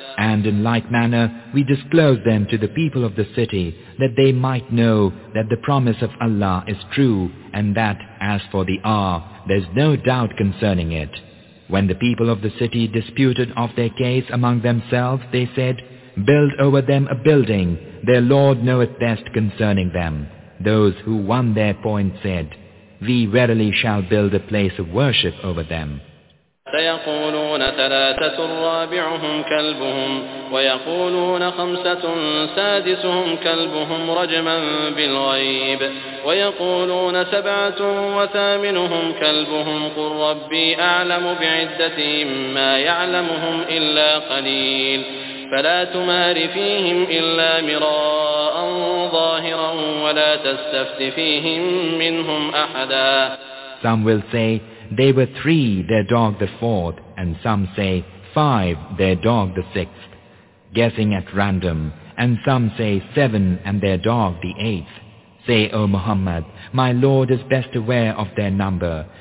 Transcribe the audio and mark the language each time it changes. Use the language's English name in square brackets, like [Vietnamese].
[English] And in like manner we disclosed them to the people of the city that they might know that the promise of Allah is true, and that as for the hour there's no doubt concerning it. When the people of the city disputed of their case among themselves, they said, Build over them a building, their Lord knoweth best concerning them. Those who won their point said, We verily shall build a place of worship over them. [Arabic] سيقولون ثلاثة رابعهم كلبهم ويقولون خمسة سادسهم كلبهم رجما بالغيب ويقولون سبعة وثامنهم كلبهم قل ربي أعلم بعدتهم ما يعلمهم إلا قليل فلا تمار فيهم إلا مراء ظاهرا ولا تستفت فيهم منهم أحدا. [English] Some will say, They were three, their dog the fourth, and some say five, their dog the sixth. Guessing at random, and some say seven and their dog the eighth. Say, O Muhammad, my Lord is best aware of their number.